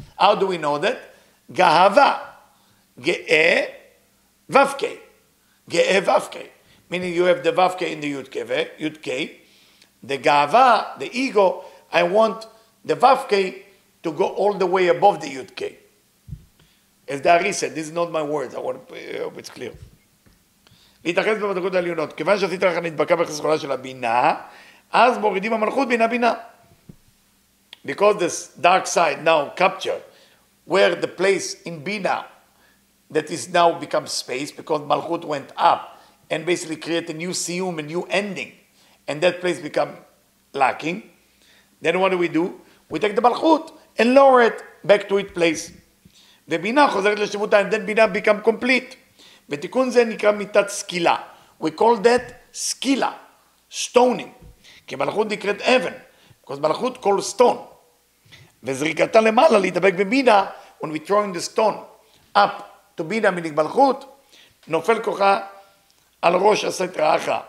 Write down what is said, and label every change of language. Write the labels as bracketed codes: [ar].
[en] How do we know that? Gahava. Ge'e Vavke. Ge'e Vavke. Meaning you have the Vavke in the Yudke. The Gahava, the ego. I want the Vavke to go all the way above the Yudke. As the Ari said, this is not my words. I want to hope it's clear. [he] להתאחז במדרגות העליונות. כיוון שעשית לך נדבקה בחסכונה של הבינה, אז מורידים המלכות בינה. [en] Because this dark side now captured where the place in Bina that is now become space, because Malchut went up and basically create a new siyum, a new ending, and that place become lacking, then what do? We take the Malchut and lower it back to its place. [he] ובינה חוזרת לשלמותה, [en] and then Bina become complete. [he] ותיקון זה נקרא מיטת סקילה. [en] We call that סקילה, stoning. [he] כי מלכות נקראת אבן, [en] because מלכות called stone. [he] וזריקתה למעלה להידבק בבינה, [en] when we throwing the stone up to [he] בינה מנג מלכות, נופל כוחה על ראש הסת רעך.